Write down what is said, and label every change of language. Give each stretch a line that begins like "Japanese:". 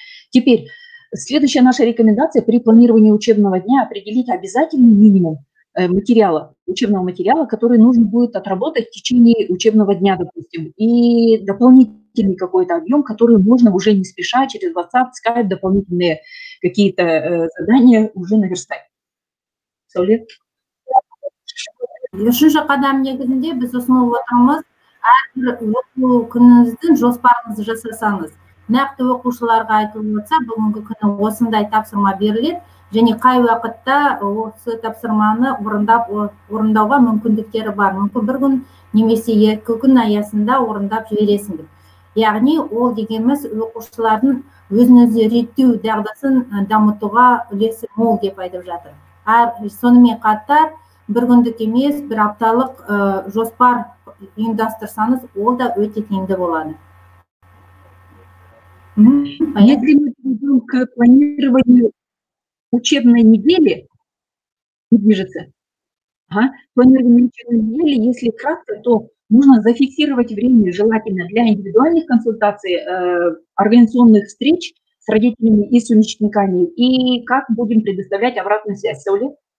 Russian: Теперь, следующая наша рекомендация при планировании учебного дня определить обязательный минимум материала, учебного материала, который нужно будет отработать в течение учебного дня, допустим, и дополнительный какой-то объем, который можно уже не спеша через WhatsApp, Skype, дополнительные какие-то задания уже наверстать. Саулет?
Kazakh: Үшінші қадам негізінде біз ұсынып отырмыз, әрбір оқу күніңіздің жоспарыңызды жасасаңыз. Нақты оқушыларға айтылып отырса, бүгінгі күні осындай тапсырма беріледі, және қай уақытта осы тапсырманы орындауға мүмкіндіктері бар. Мүмкін бір күн немесе екі күн аясында орындап жібересің деп. Яғни ол дегеніміз оқушылардың өзіңізді реттеу дағдасын дамытуға үлесі мол деп айтып жатыр. Ар, сонымен қаттар, бір күндік емес, бір апталық жоспар ұйымдастырсаңыз, ол да өте тиімді болады.
Russian: Если мы перейдем к планированию учебной недели, не движется, планирование учебной недели, если кратко, то нужно зафиксировать время, желательно для индивидуальных консультаций, организационных встреч с родителями и с учениками, и как будем предоставлять обратную связь, Сауле?